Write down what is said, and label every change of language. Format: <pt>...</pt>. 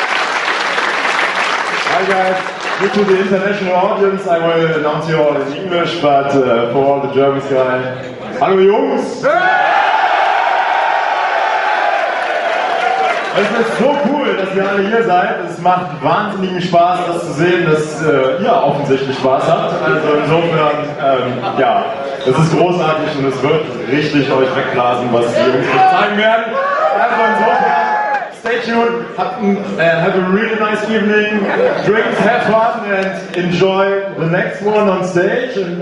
<en>Hi guys. Due to the international audience, I will announce you all in English, but for all the Germans, guys,</en> <de>hallo Jungs! Es ist so cool, dass ihr alle hier seid. Es macht wahnsinnigen Spaß, das zu sehen, dass ihr offensichtlich Spaß habt. Also insofern, es ist großartig und es wird richtig euch wegblasen, was die Jungs euch zeigen werden. Also insofern,</de> <en>stay tuned, have a really nice evening, drinks, have fun, and enjoy the next one on stage.</en>